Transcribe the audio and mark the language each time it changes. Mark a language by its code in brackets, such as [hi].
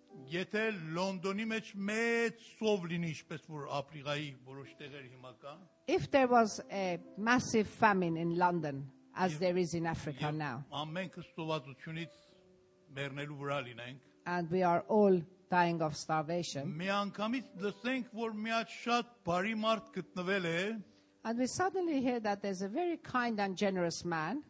[hy] Եթե Լոնդոնի մեջ մեծ սով լինի, ինչպես որ Աֆրիկայի որոշ տեղեր հիմա կա. [en] If there was a massive famine in London, as there is in Africa now. [hy] Ամենքս սովածությունից մեռնելու վրա լինենք. [en] And we are all dying of starvation. [hy] Միանգամից լսենք, որ մի հատ շատ բարի մարդ գտնվել է. [en] And we suddenly hear that there's a very kind and generous man.